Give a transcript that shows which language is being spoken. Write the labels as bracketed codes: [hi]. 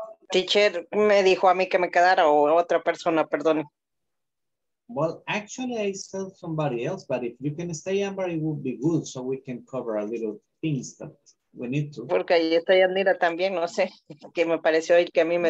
[es] Teacher me dijo a mí que me quedara o otra persona, perdone. [en] Well, actually, I saw somebody else, but if you can stay, Amber, it would be good so we can cover a little things that we need to. [es] Porque ahí está Yanira también, no sé, que me pareció el que a mí me